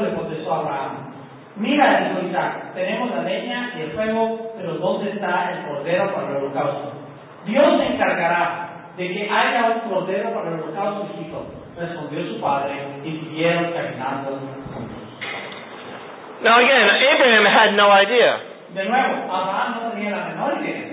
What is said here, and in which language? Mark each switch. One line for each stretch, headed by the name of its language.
Spanish: Le contestó Abraham. Mira, dijo Isaac, tenemos la leña y el fuego, pero ¿dónde está el cordero para el holocausto? Dios se encargará. de que haya un cordero para el holocausto de sus hijos. Respondió su padre y siguieron caminando.
English: Now again, Abraham had no idea.
Spanish: De nuevo, Abraham no tenía la menor idea